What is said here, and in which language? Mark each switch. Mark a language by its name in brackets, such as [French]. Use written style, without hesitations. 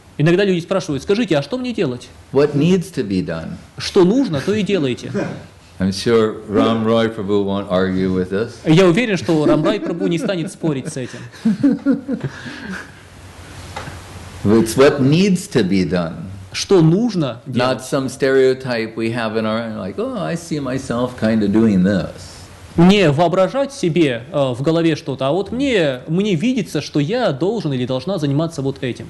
[Russian] Иногда люди спрашивают, скажите, а что мне делать? [English] What needs to be done? [Russian] Что нужно, то и делайте. [English] I'm sure Ram Roy Prabhu won't argue with this. [Russian] Я уверен, что Рам Рай Прабху не станет спорить с этим. [English] It's what needs to be done. [Russian] Что нужно делать. [English] Not some stereotype we have in our own, like, oh, I see myself kind of doing this. [Russian] Не воображать себе в голове что-то, а вот мне видится, что я должен или должна заниматься вот этим.